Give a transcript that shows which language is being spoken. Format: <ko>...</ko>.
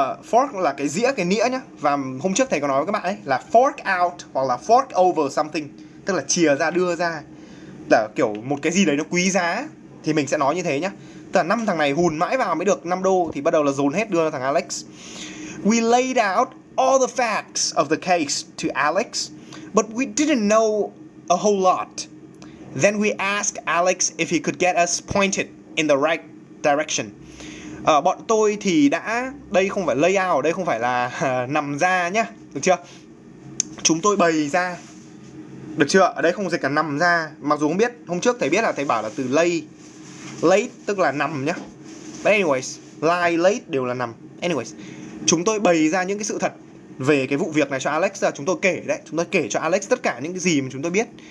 <vi>Fork là cái dĩa, cái nĩa nhá. Và hôm trước thầy có nói với các bạn ấy là fork out hoặc là fork over something, tức là chìa ra, đưa ra, là kiểu một cái gì đấy nó quý giá thì mình sẽ nói như thế nhá. Tức là 5 thằng này hùn mãi vào mới được 5 đô thì bắt đầu là dồn hết đưa cho thằng Alex.</vi> <en>We laid out all the facts of the case to Alex, but we didn't know a whole lot. Then we asked Alex if he could get us pointed in the right direction.</en> <vi>Bọn tôi thì đã, đây không phải layout, đây không phải là nằm ra nhá, được chưa? Chúng tôi bày ra, được chưa? Ở đây không dịch là nằm ra, mặc dù không biết, hôm trước thầy biết là thầy bảo là từ lay, late tức là nằm nhá.</vi> <en>But anyways,</en> <vi>lie, late đều là nằm. Anyways, chúng tôi bày ra những cái sự thật về cái vụ việc này cho Alex, chúng tôi kể đấy, chúng tôi kể cho Alex tất cả những cái gì mà chúng tôi biết.</vi>